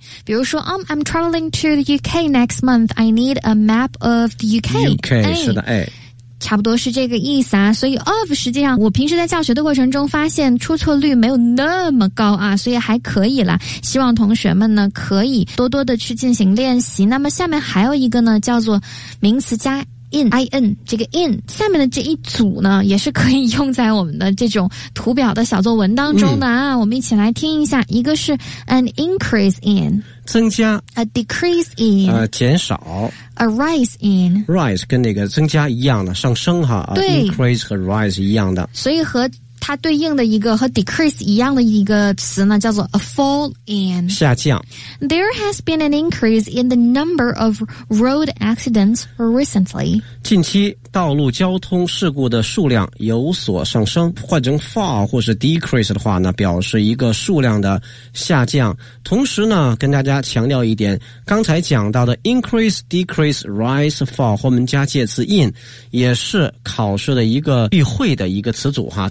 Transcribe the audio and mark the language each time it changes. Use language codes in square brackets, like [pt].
[zh] 比如说 [en] I'm traveling to the UK next month, I need a map of the UK， [zh] UK，哎，是的，哎，差不多是这个意思啊。所以 of 实际上我平时在教学的过程中发现出错率没有那么高啊，所以还可以啦，希望同学们呢可以多多的去进行练习。那么下面还有一个呢叫做名词加 in 这个 in， 下面的这一组呢也是可以用在我们的这种图表的小作文当中的啊，嗯，我们一起来听一下。一个是 [en] an increase in， [zh] 增加， [en] a decrease in， [zh] 减少， [en] a rise in， [zh] rise 跟那个增加一样的上升哈，对， increase 和 rise 一样的，所以和它对应的一个和 decrease 一样的一个词呢叫做 [en] a fall in， [zh] 下降。 [en] There has been an increase in the number of road accidents recently， [zh] 近期道路交通事故的数量有所上升。换成 fall 或是 decrease 的话呢表示一个数量的下降。同时呢跟大家强调一点，刚才讲到的 [en] increase, decrease, rise, fall [zh] 后面加介词 in 也是考试的一个必会的一个词组哈。